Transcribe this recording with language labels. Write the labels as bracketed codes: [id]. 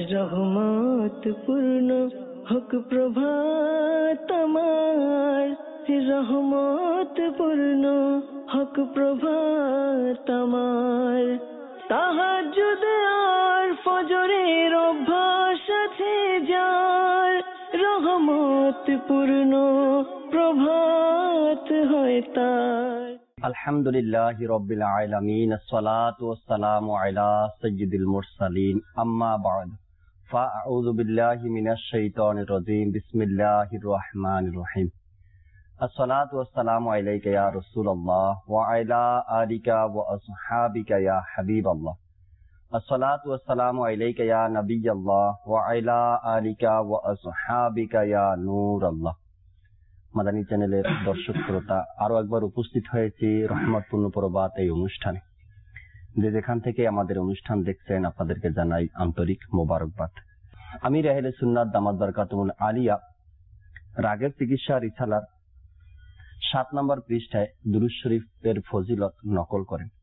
[bn] রহমত পূর্ণ হক প্রভাত আমার, রহমত পূর্ণ হক প্রভাত আমার, তাহাজ্জুদ আর ফজরের অভ্যাস আছে যার, রহমত পূর্ণ প্রভাত হয় তার। [ar] الحمد لله رب العالمين الصلاة والسلام على سيد المرسلين أما بعد فأعوذ بالله من الشيطان الرجيم بسم الله الرحمن الرحيم الصلاة والسلام عليك يا رسول الله وعلى آلك وأصحابك يا حبيب الله الصلاة والسلام عليك يا نبي الله وعلى آلك وأصحابك يا نور الله। [bn] মাদানী চ্যানেলের দর্শক শ্রোতা, আরো একবার উপস্থিত হয়েছি রহমতপূর্ণ প্রভাত এই অনুষ্ঠানে। যে যেখান থেকে আমাদের অনুষ্ঠান দেখছেন, আপনাদেরকে জানাই আন্তরিক মোবারকবাদ। আমি রাহেলে সুন্নাত দামাত বরকাতুল আলিয়া। রাগের চিকিৎসা রিসালার 7 নম্বর পৃষ্ঠায় দুরুদ শরীফের ফজিলত নকল করেন।